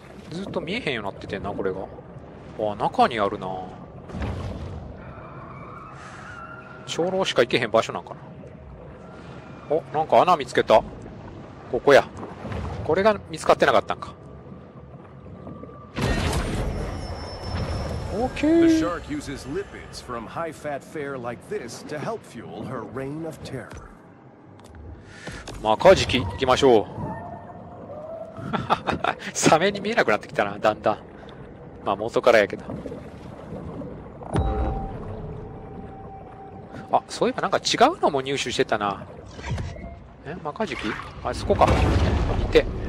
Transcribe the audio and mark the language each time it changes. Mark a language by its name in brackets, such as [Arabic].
[Japanese] ずっと見えへんようになっててんな、これが。あ、中にあるな。長老しか行けへん場所なんかな。お、なんか穴見つけた。ここや。これが見つかってなかったんか。 [English] OK。 The shark uses lipids from high fat fare like this to help fuel her reign of terror。 [Japanese] マカジキ、行きましょう。サメに見えなくなってきたな、だんだん。まあ、元からやけど。あ、そういえばなんか違うのも入手してたな。え、マカジキ？あ、そこか。いて。